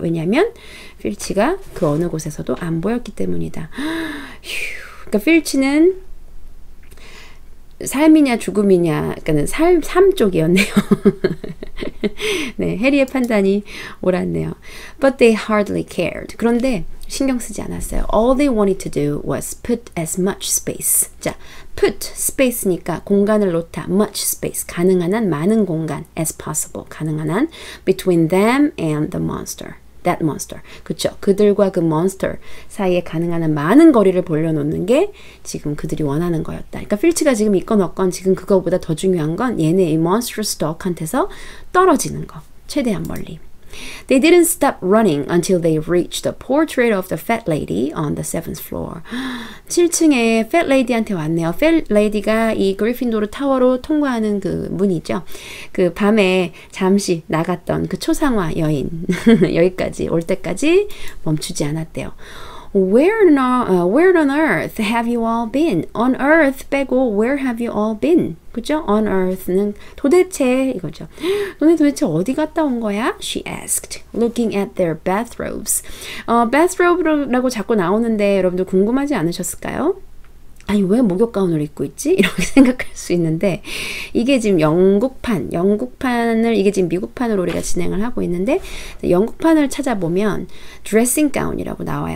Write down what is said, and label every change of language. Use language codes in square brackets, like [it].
[ko] 왜냐하면 필치가 그 어느 곳에서도 안 보였기 때문이다. 휴, 그러니까 필치는 삶이냐 죽음이냐, 그러니까는 삶 쪽이었네요. 네, 해리의 판단이 옳았네요. [en] But they hardly cared. [ko] 그런데 신경 쓰지 않았어요. [en] All they wanted to do was put as much space. [ko] 자, put space니까 공간을 놓다. Much space, 가능한 한 많은 공간. [en] As possible, [ko] 가능한 한 [en] between them and the monster. That monster. [ko] 그쵸? 그들과 그 monster 사이에 가능한 많은 거리를 벌려놓는 게 지금 그들이 원하는 거였다. 그러니까 필치가 지금 있건 없건 지금 그거보다 더 중요한 건 얘네 이 monstrous dog한테서 떨어지는 거. 최대한 멀리. [en] They didn't stop running until they reached the portrait of the fat lady on the seventh floor. [ko] 7층에 fat lady한테 왔네요. Fat lady가 이 그리핀도르 타워로 통과하는 그 문이죠. 그 밤에 잠시 나갔던 그 초상화 여인 여기까지 올 때까지 멈추지 않았대요. [en] Where on earth have you all been? On earth [ko] 빼고 [en] where have you all been? [ko] 그죠? On earth는 도대체 이거죠. 너네 도대체 어디 갔다 온 거야? [en] She asked, looking at their bathrobes. Bathrobe라고 [ko] 자꾸 나오는데 여러분들 궁금하지 않으셨을까요? 아니 왜 목욕 가운을 입고 있지? 이렇게 생각할 수 있는데 이게 지금 영국판, 영국판을 이게 지금 미국판으로 우리가 진행을 하고 있는데 영국판을 찾아보면 dressing gown이라고 나와요.